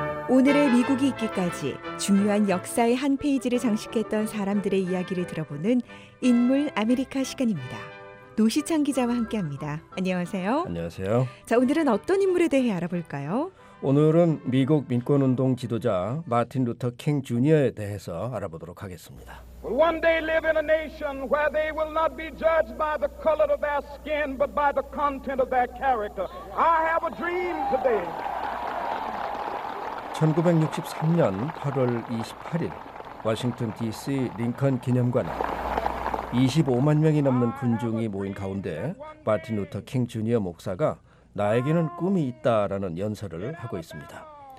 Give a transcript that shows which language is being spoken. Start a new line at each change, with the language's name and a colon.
Korean: 오늘의 미국이 있기까지 중요한 역사의 한 페이지를 장식했던 사람들의 이야기를 들어보는 인물 아메리카 시간입니다. 노시창 기자와 함께합니다. 안녕하세요. 안녕하세요. 자, 오늘은 어떤 인물에 대해 알아볼까요? 오늘은 미국 민권운동 지도자 마틴 루터 킹 주니어에 대해서 알아보도록 하겠습니다.
English: We'll one day live in a nation where they will not be judged by the color of their skin but by the content of their character. I have a dream today.
Korean: 1963년 8월 28일 워싱턴 DC 링컨 기념관에 25만 명이 넘는 군중이 모인 가운데 마틴 루터 킹 주니어 목사가 나에게는 꿈이 있다라는 연설을 하고 있습니다.